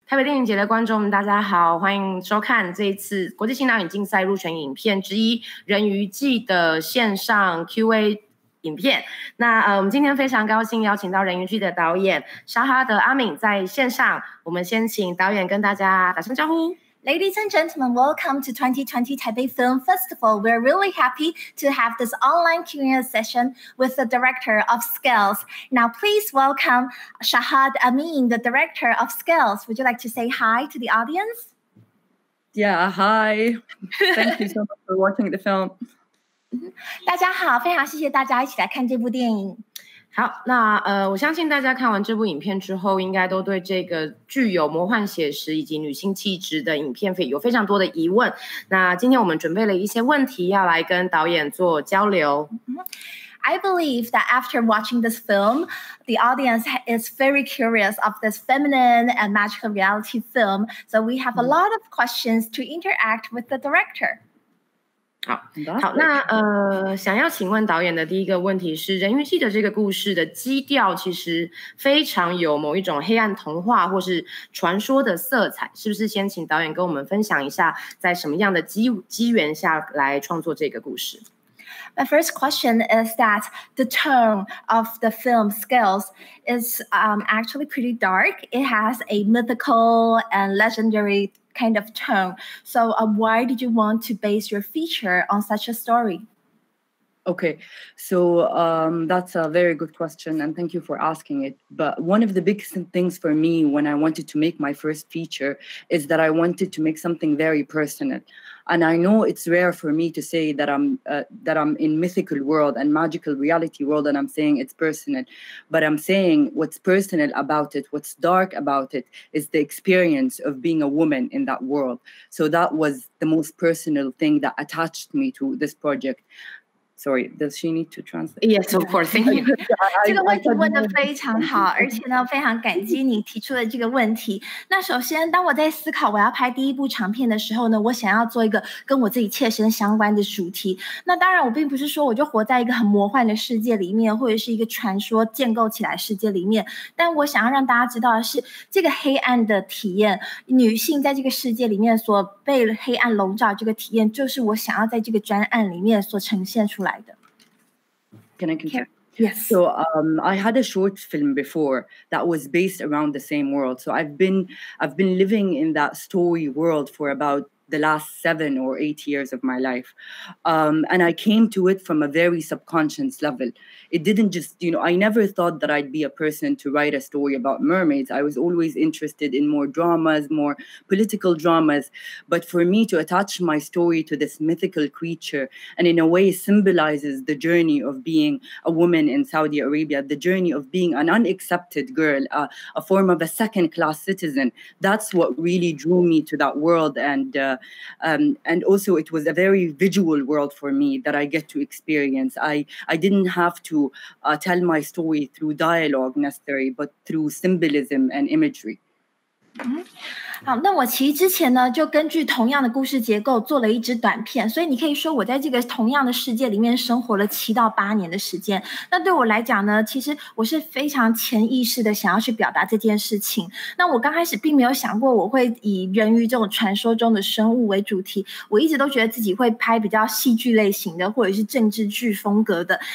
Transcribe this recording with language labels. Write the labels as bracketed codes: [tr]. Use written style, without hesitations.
[zh] 台北电影节的观众们大家好，欢迎收看这一次国际新导演竞赛入选影片之一人鱼季的线上 QA 影片。那我们今天非常高兴邀请到人鱼季的导演沙哈德阿敏在线上，我们先请导演跟大家打声招呼。 [en] Ladies and gentlemen, welcome to 2020 Taipei Film Festival. We're really happy to have this online Q&A session with the director of Skills. Now, please welcome Shahad AMEEN, the director of Skills. Would you like to say hi to the audience? Yeah, hi. Thank you so much for watching the film. [zh] 大家好，非常谢谢大家一起来看这部电影。好，那我相信大家看完这部影片之后应该都对这个具有魔幻写实以及女性气质的影片有非常多的疑问。那今天我们准备了一些问题要来跟导演做交流。 [en] I believe that after watching this film, the audience is very curious of this feminine and magical reality film. So we have a lot of questions to interact with the director. [zh] 好，那想要请问导演的第一个问题是，人鱼记的这个故事的基调其实非常有某一种黑暗童话或是传说的色彩，是不是先请导演跟我们分享一下在什么样的机缘下来创作这个故事？ [en] My first question is that the tone of the film Skills is actually pretty dark. It has a mythical and legendary kind of tone. So why did you want to base your feature on such a story? Okay, so that's a very good question and thank you for asking it. But one of the biggest things for me when I wanted to make my first feature is that I wanted to make something very personal. And I know it's rare for me to say that I'm in mythical world and magical reality world and I'm saying it's personal, but I'm saying what's personal about it, what's dark about it is the experience of being a woman in that world. So that was the most personal thing that attached me to this project. Sorry, does she need to translate? Yes, of course. Thank you. [zh] 这个问题问得非常好，而且呢，非常感激你提出的这个问题。那首先，当我在思考我要拍第一部长片的时候呢，我想要做一个跟我自己切身相关的主题。那当然，我并不是说我就活在一个很魔幻的世界里面，或者是一个传说建构起来世界里面。但我想要让大家知道的是，这个黑暗的体验，女性在这个世界里面所被黑暗笼罩这个体验，就是我想要在这个专案里面所呈现出来的。 [en] Can I continue? Yes. So I had a short film before that was based around the same world. So I've been living in that story world for about the last 7 or 8 years of my life. And I came to it from a very subconscious level. It didn't just, you know, I never thought that I'd be a person to write a story about mermaids. I was always interested in more dramas, more political dramas. But for me to attach my story to this mythical creature and in a way symbolizes the journey of being a woman in Saudi Arabia, the journey of being an unaccepted girl, a form of a second class citizen. That's what really drew me to that world. And also it was a very visual world for me that I get to experience. I didn't have to tell my story through dialogue necessarily, but through symbolism and imagery. [zh] 好，那我其实之前呢就根据同样的故事结构做了一支短片，所以你可以说我在这个同样的世界里面生活了7到8年的时间。那对我来讲呢，其实我是非常潜意识的想要去表达这件事情。那我刚开始并没有想过我会以人鱼这种传说中的生物为主题，我一直都觉得自己会拍比较戏剧类型的或者是政治剧风格的。